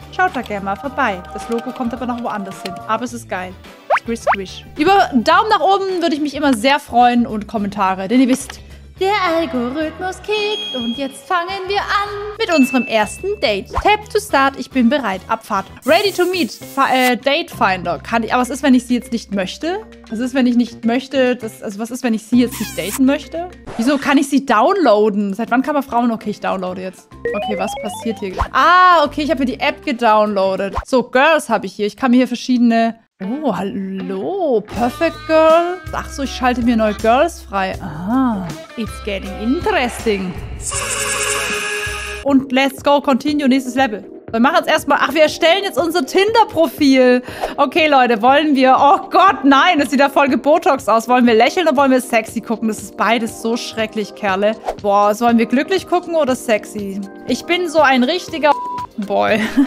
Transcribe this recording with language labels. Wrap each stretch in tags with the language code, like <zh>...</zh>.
<de>Schaut da gerne mal vorbei. Das Logo kommt aber noch woanders hin. Aber es ist geil. Squish, squish. Über Daumen nach oben würde ich mich immer sehr freuen und Kommentare, denn ihr wisst, der Algorithmus kickt und jetzt fangen wir an mit unserem ersten Date.</de> <en>Tap to start,</en> <de>ich bin bereit, Abfahrt.</de> <en>Ready to meet, Date Finder.</en> <de>Kann ich, aber was ist, wenn ich sie jetzt nicht möchte? Was ist, wenn ich nicht möchte, das, also was ist, wenn ich sie jetzt nicht daten möchte? Wieso kann ich sie downloaden? Seit wann kann man Frauen, okay, ich downloade jetzt. Okay, was passiert hier? Ah, okay, ich habe mir die App gedownloadet. So, Girls habe ich hier, ich kann mir hier verschiedene... Oh, hallo, Perfect Girl. Ach so, ich schalte mir neue Girls frei.</de> <en>Aha, it's getting interesting.</en> <de>Und</de> <en>let's go, continue,</en> <de>nächstes Level. Wir machen jetzt erstmal, ach, wir erstellen jetzt unser Tinder-Profil. Okay, Leute, wollen wir, oh Gott, nein, das sieht ja voll gebotoxed aus. Wollen wir lächeln oder wollen wir sexy gucken? Das ist beides so schrecklich, Kerle. Boah, sollen wir glücklich gucken oder sexy? Ich bin so ein richtiger... Boy.</de>